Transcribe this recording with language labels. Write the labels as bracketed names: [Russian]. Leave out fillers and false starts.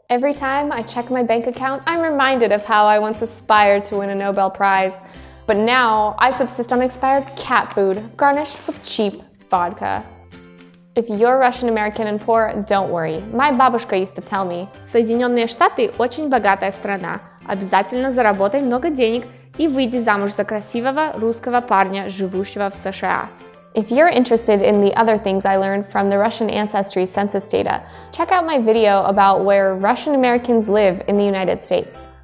[English] Every time I check my bank account, I'm reminded of how I once aspired to win a Nobel Prize. But now I subsist on expired cat food, garnished with cheap vodka. If you're Russian American and poor, don't worry. [Russian] My бабушка [English] used to tell me, [Russian] Соединенные Штаты очень богатая страна. Обязательно заработай много денег и выйди замуж за красивого русского парня, живущего в США. [English] If you're interested in the other things I learned from the Russian ancestry census data, check out my video about where Russian Americans live in the United States.